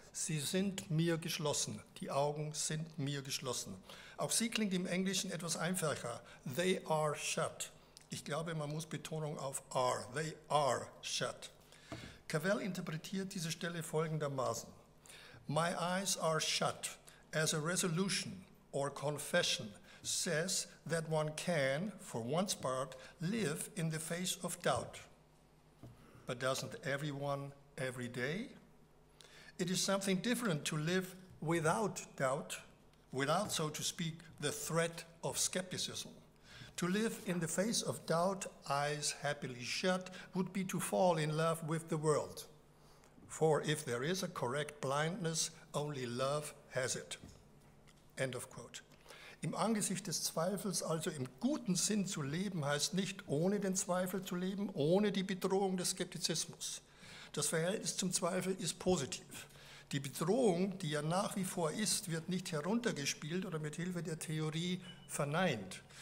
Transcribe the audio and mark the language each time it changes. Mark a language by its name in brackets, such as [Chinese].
[German] Sie sind mir geschlossen. Die Augen sind mir geschlossen. Auch sie klingt im Englischen etwas einfacher. [English] They are shut. [German] Ich glaube, man muss Betonung auf are. [English] They are shut. [German] Cavell interpretiert diese Stelle folgendermaßen. [English] My eyes are shut as a resolution or confession says that one can, for one's part, live in the face of doubt. But doesn't everyone every day? It is something different to live without doubt, without, so to speak, the threat of skepticism. To live in the face of doubt, eyes happily shut, would be to fall in love with the world. For if there is a correct blindness, only love has it. End of quote. [German] Im Angesicht des Zweifels, also im guten Sinn zu leben, heißt nicht ohne den Zweifel zu leben, ohne die Bedrohung des Skeptizismus. Das Verhältnis zum Zweifel ist positiv. Die Bedrohung, die ja nach wie vor ist, wird nicht heruntergespielt oder mit Hilfe der Theorie verneint.